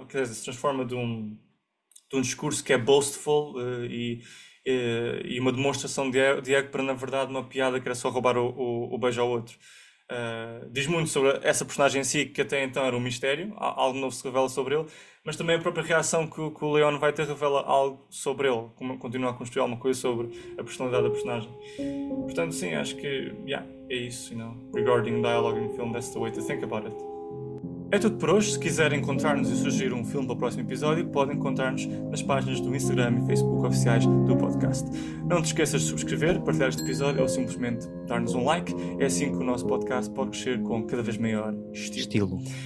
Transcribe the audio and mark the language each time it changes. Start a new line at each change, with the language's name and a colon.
Portuguese: Quer dizer, se transforma de um discurso que é boastful e uma demonstração de ego para, na verdade, uma piada que era só roubar o beijo ao outro. Diz muito sobre essa personagem em si, que até então era um mistério, algo novo se revela sobre ele, mas também a própria reação que o Leon vai ter revela algo sobre ele, como continua a construir alguma coisa sobre a personalidade da personagem. Portanto, sim, acho que, é isso,
English: Regarding dialogue in film, that's the way to think about it.
Portuguese: É tudo por hoje. Se quiserem encontrar-nos e sugerir um filme para o próximo episódio, podem encontrar-nos nas páginas do Instagram e Facebook oficiais do podcast. Não te esqueças de subscrever, partilhar este episódio ou simplesmente dar-nos um like. É assim que o nosso podcast pode crescer com cada vez maior estilo. Estilo.